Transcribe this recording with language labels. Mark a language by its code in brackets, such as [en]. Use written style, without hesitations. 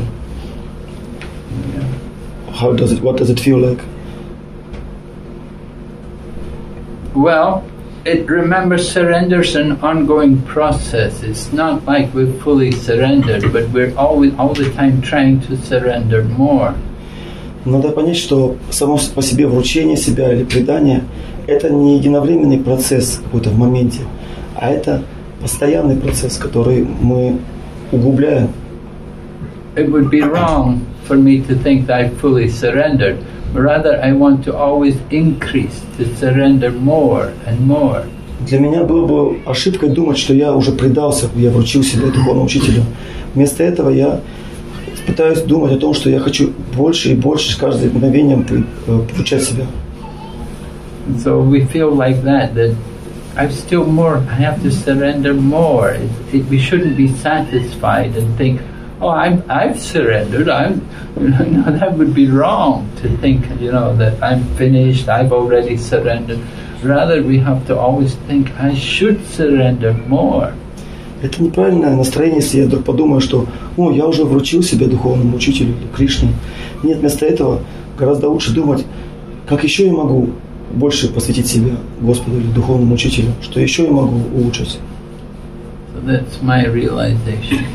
[en] Yeah. What does it feel like? Well, it remembers surrender is an ongoing process. It's not like we've fully surrendered, but we're always all the time trying to surrender more. [ru] Надо понять, что само по себе вручение себя или предание — это не единовременный процесс какой-то в моменте, а это постоянный процесс, который мы углубляем. [en] It would be wrong for me to think that I fully surrendered. Rather, I want to always increase, to surrender more and more. [ru] Для меня было бы ошибкой думать, что я уже предался, я вручил себя духовному учителю. Вместо этого я пытаюсь думать о том, что я хочу больше и больше с каждым мгновением получать себя. [en] So we feel like that, that I've still more, I have to surrender more. We shouldn't be satisfied and think, oh, I've surrendered. That would be wrong to think, you know, that I'm finished, I've already surrendered. Rather, we have to always think, I should surrender more. [ru] Это неправильное настроение, если я вдруг подумаю, что «О, я уже вручил себя духовному учителю, Кришне». Нет, вместо этого гораздо лучше думать, как еще я могу больше посвятить себя Господу или духовному учителю, что еще я могу улучшить. [en] So that's my realization.